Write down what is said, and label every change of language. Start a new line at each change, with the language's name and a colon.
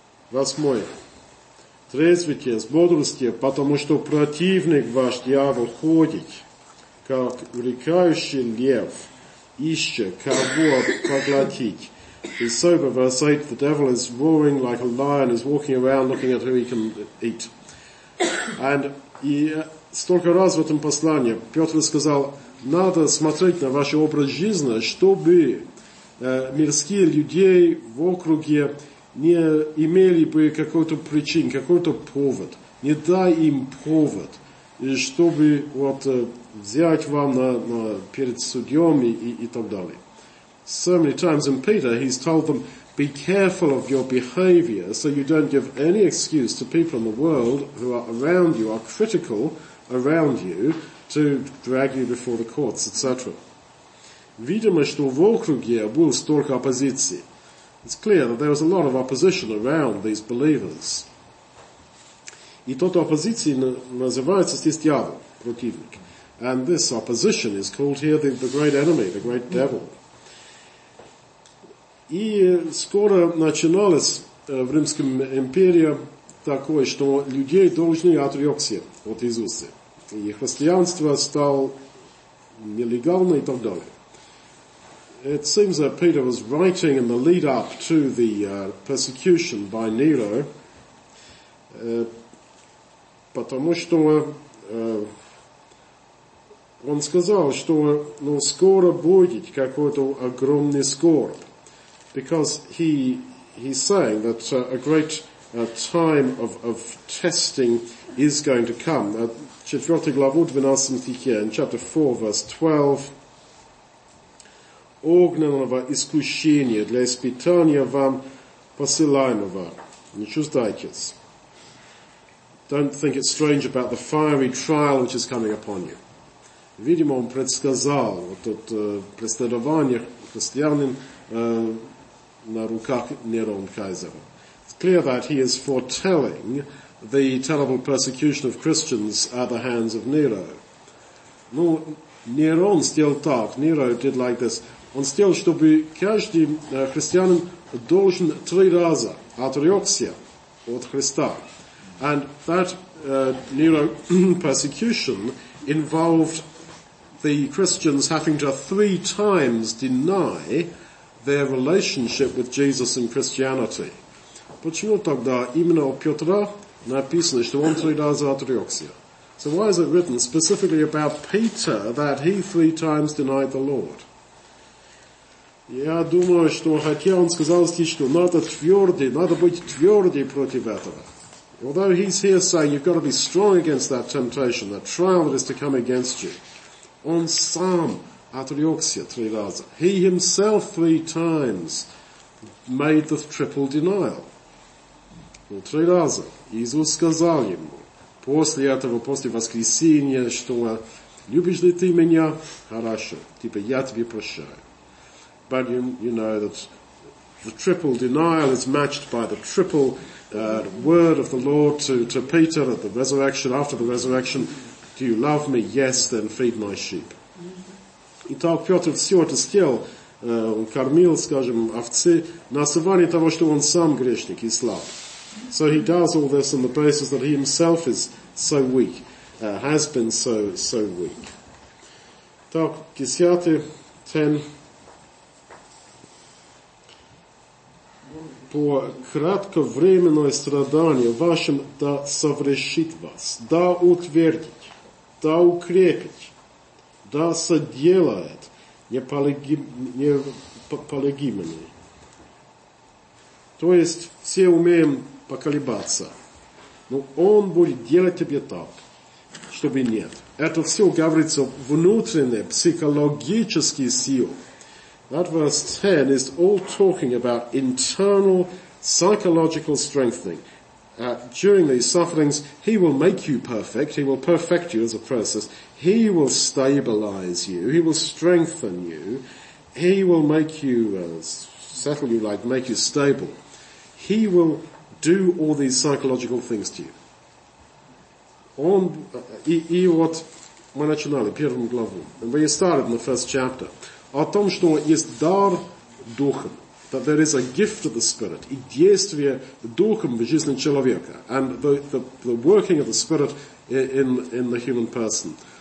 Russian: Восьмое. Трезвитесь, бодрствуйте, потому что противник ваш дьявол ходит, как увлекающий лев, ища кого поглотить.
English: He's sober, verse 8, the devil is roaring like a lion, is walking around looking at who he can eat.
Russian: And и столько раз в этом послании Петр сказал, надо смотреть на ваш образ жизни, чтобы мирские людей в округе не имели бы какой-то причин, какой-то повод. Не дай им повод, чтобы вот взять вам на перед судьем и так далее.
English: So many times in Peter, he's told them, be careful of your behavior so you don't give any excuse to people in the world who are around you, are critical around you, to drag you before the courts, etc.
Russian: Видимо, что в округе было столько оппозиции.
English: it's clear that there was a lot of opposition around these believers.
Russian: И тот оппозиции называется здесь дьявол, противник.
English: And this opposition is called here the great enemy, the great devil.
Russian: И скоро начиналось в Римском империи такое, что людей должны отрекся от Иисуса. И христианство стало нелегальным и так далее.
English: It seems that Peter was writing in the lead up to the persecution by Nero,
Russian: потому что он сказал, что ну, скоро будет какой-то огромный скорбь.
English: Because he's saying that a great time of testing is going to come.
Russian: В 4 главу 12 стихе,
English: in chapter 4, verse 12,
Russian: огненного искушения для испытания вам посылаемого. Не чувствуйтесь.
English: Don't think it strange about the fiery trial which is coming upon you.
Russian: Видимо, он предсказал вот тут преследование христианин на руках Нерон Кайзера.
English: It's clear that he is foretelling the terrible persecution of Christians at the hands of Nero.
Russian: Ну, Нерон сделал так,
English: Nero did like this.
Russian: Он сделал, чтобы каждый христианин должен три раза отрекся от Христа.
English: And that Nero persecution involved the Christians having to three times deny their relationship with Jesus and Christianity.
Russian: Почему тогда именно у Петра написано, что он три раза отрекся?
English: So why is it written specifically about Peter that he three times denied the Lord?
Russian: Я думаю, что хотя он сказал здесь, что надо быть твердым против этого.
English: Although he's here saying you've got to be strong against that temptation, that trial that is to come against you.
Russian: Он сам отрекся три раза.
English: He himself three times made the triple denial.
Russian: Ну, три раза. Иисус сказал ему, после этого, после воскресения, что любишь ли ты меня? Хорошо. Типа, я тебе прощаю.
English: But you know that the triple denial is matched by the triple word of the Lord to Peter at the resurrection, after the resurrection. Do you love me? Yes, then feed my sheep.
Russian: Итак, Петр все это сделал, кормил, скажем, овцы, на основании того, что он сам грешник и слаб.
English: So he does all this on the basis that he himself is so weak, has been so weak.
Russian: Итак, 10, 10. По кратковременное страдание вашим да совершит вас, да утвердит, да укрепит. Да соделает неполегимыми. То есть все умеем поколебаться. Но он будет делать тебе так, чтобы нет. Это все говорится внутренней психологической силы.
English: That verse 10 is all talking about internal psychological strengthening. During these sufferings, he will make you perfect. He will perfect you as a process. He will stabilize you. He will strengthen you. He will make you, settle you, like make you stable. He will do all these psychological things to you.
Russian: Он, и вот мы начинали первым главом.
English: And we started in the first chapter.
Russian: О том, что есть дар духом.
English: That there is a gift of the Spirit,
Russian: и действие духом в жизни человека,
English: and the working of the Spirit in the human person.